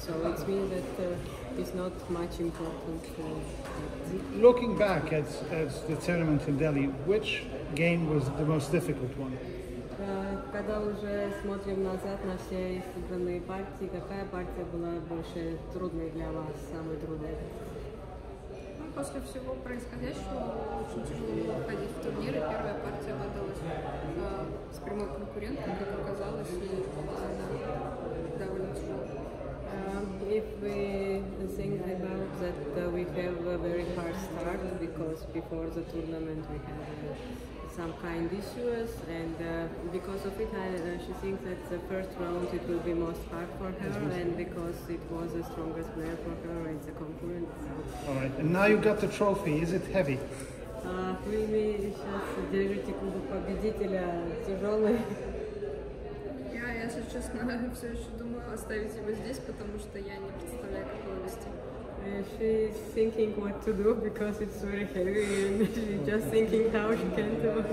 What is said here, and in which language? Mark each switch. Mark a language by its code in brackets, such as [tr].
[en] So it means that it's not much important. Looking back at the tournament in Delhi, which game was the most difficult one? [ru] Когда уже смотрим назад на все сыгранные партии, какая партия была больше трудной для вас, самой трудной? Ну, после всего происходящего очень тяжело было входить в турниры. Первая партия выдалась с прямой конкуренткой, как оказалось, и довольно тяжело. [en] If we think about that, we have a very hard start, because before the tournament we had some kind issues, and because of it she thinks that the first round it will be most hard for her, and because it was the strongest player for her in the concurrent. Alright, and now you got the trophy, is it heavy? [ru] Вы мне сейчас держите кубок победителя, тяжелый. Я, если честно, все еще думаю оставить его здесь, потому что я не представляю, как его вести. [en] She's thinking what to do because it's very heavy, and she's just thinking how she can do it.